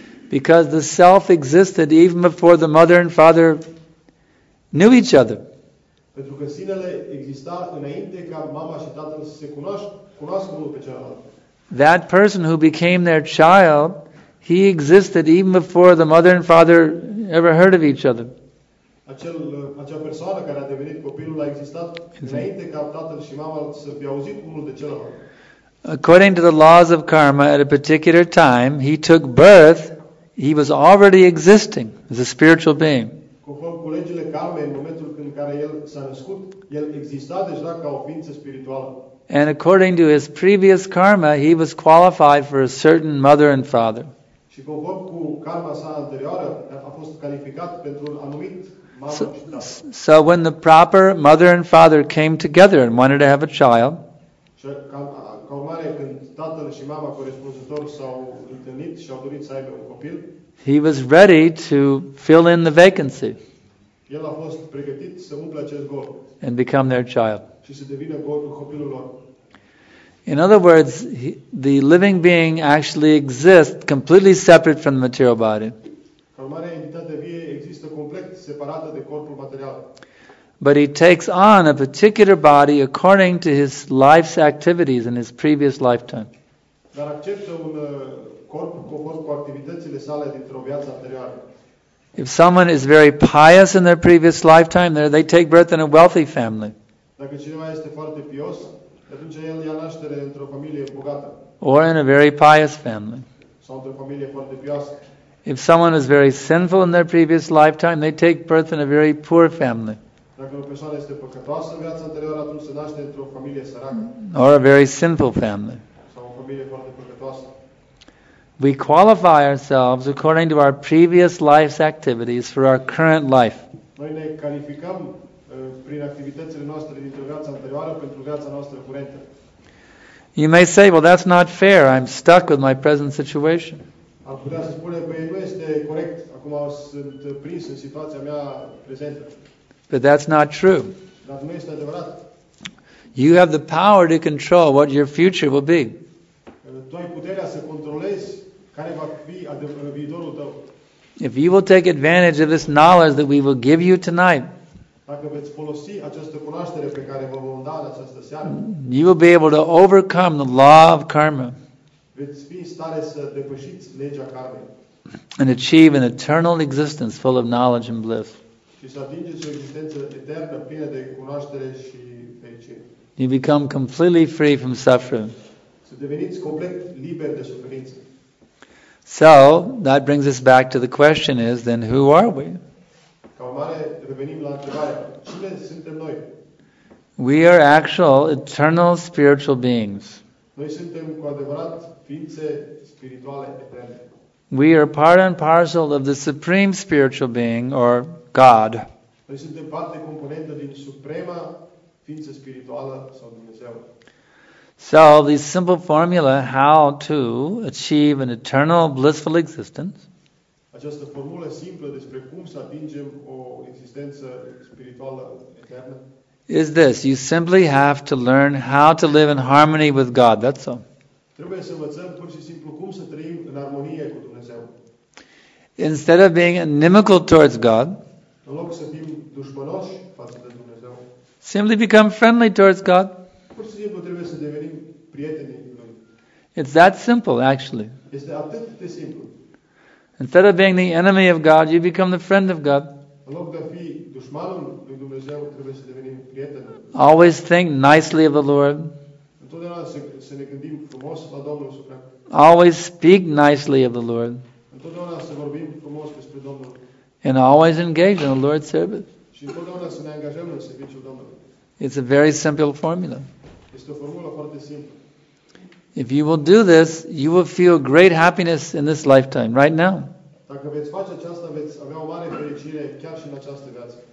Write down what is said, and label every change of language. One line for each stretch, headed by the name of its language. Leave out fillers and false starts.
English: Because the self existed even before the mother and father knew each other.
Romanian: Pentru că sinele exista înainte ca mama și tatăl să se cunoască unul pe celălalt.
English: That person who became their child, he existed even before the mother and father ever heard of each other.
Romanian: Acea persoană care a devenit copilul a existat înainte ca tatăl și mama să fie auzit unul de celălalt.
English: According to the laws of karma, at a particular time, he took birth, he was already existing as a spiritual being.
Romanian: Conform cu legile karma, în momentul în care el s-a născut, el exista deja ca o ființă spirituală.
English: And according to his previous karma, he was qualified for a certain mother and father.
Romanian: Și conform cu karma sa anterioară, a fost calificat pentru un anumit mamă și tată.
English: So when the proper mother and father came together and wanted to have a child,
Romanian: ca urmare, când tatăl și mama corespunzător s-au întâlnit și au dorit să aibă un copil,
English: he was ready to fill in the vacancy.
Romanian: El a fost pregătit să umple acest gol.
English: And become their child.
Romanian: Și să devină copilul lor.
English: In other words, the living being actually exists completely separate from the material body.
Romanian: Ca urmare, entitatea vie există complet separată de corpul material.
English: But he takes on a particular body according to his life's activities in his previous lifetime.
Romanian: Dar acceptă un corp conform cu activitățile sale dintr-o viață anterioară.
English: If someone is very pious in their previous lifetime, they take birth in a wealthy family.
Romanian: Dacă cineva este foarte pios, atunci el ia naștere într-o familie bogată.
English: Or in a very pious family.
Romanian: Sau într-o familie foarte pioasă.
English: If someone is very sinful in their previous lifetime, they take birth in a very poor family.
Romanian: Dacă o persoană este păcătoasă în viața anterioară, atunci se naște într-o familie săracă.
English: Or a very sinful family.
Romanian: Sau o familie foarte păcătoasă.
English: We qualify ourselves according to our previous life's activities for our current life.
Romanian: Noi ne calificăm prin activitățile noastre dintr-o viață anterioară pentru viața noastră curentă.
English: You may say, well, that's not fair. I'm stuck with my present situation.
Romanian: Ar putea să spune, păi nu este corect. Acum sunt prins în situația mea prezentă.
English: But that's not true.
Romanian: Dar nu este adevărat.
English: You have the power to control what your future will be.
Romanian: Tu ai puterea să controlezi care va fi viitorul tău.
English: If you will take advantage of this knowledge that we will give you tonight,
Romanian: dacă veți folosi această cunoaștere pe care vă vom da în această seară,
English: you will be able to overcome the law of karma.
Romanian: Veți fi în stare să depășiți legea karmei.
English: And achieve an eternal existence full of knowledge and bliss.
Romanian: Și să atingeți o existență eternă plină de cunoaștere și fericire.
English: You become completely free from suffering.
Romanian: Să deveniți complet liber de suferință.
English: So, that brings us back to the question is, then who are we?
Romanian: Ca urmare, revenim la întrebarea, cine suntem noi?
English: We are actual eternal spiritual beings.
Romanian: Noi suntem cu adevărat ființe spirituale eterne.
English: We are part and parcel of the supreme spiritual being, or God.
Romanian: Noi suntem parte componentă din suprema ființă spirituală sau Dumnezeu.
English: So, the simple formula how to achieve an eternal blissful existence.
Romanian: Această formulă simplă despre cum să atingem o existență spirituală eternă.
English: Is this: you simply have to learn how to live in harmony with God. That's all.
Romanian: Trebuie să învățăm pur și simplu cum să trăim în armonie cu Dumnezeu.
English: Instead of being inimical towards God,
Romanian: în loc să fim dușmănoși față de Dumnezeu,
English: simply become friendly towards God.
Romanian: Pur și simplu trebuie să devenim prieteni cu noi.
English: It's that simple, actually.
Romanian: Este atât de simplu.
English: Instead of being the enemy of God, you become the friend of God.
Romanian: În loc de a fi dușmanul lui Dumnezeu, trebuie să devenim prieteni.
English: Always think nicely of the Lord.
Romanian: Întotdeauna să ne gândim frumos la Domnul Suprem.
English: Always speak nicely of the Lord.
Romanian: Întotdeauna să vorbim frumos despre Domnul.
English: And always engage in the Lord's service.
Romanian: Și întotdeauna să ne angajăm în serviciul Domnului.
English: It's a very simple formula.
Romanian: Este o formulă foarte simplă.
English: If you will do this, you will feel great happiness in this lifetime, right now.
Romanian: Dacă veți face aceasta, veți avea o mare fericire chiar și în această viață.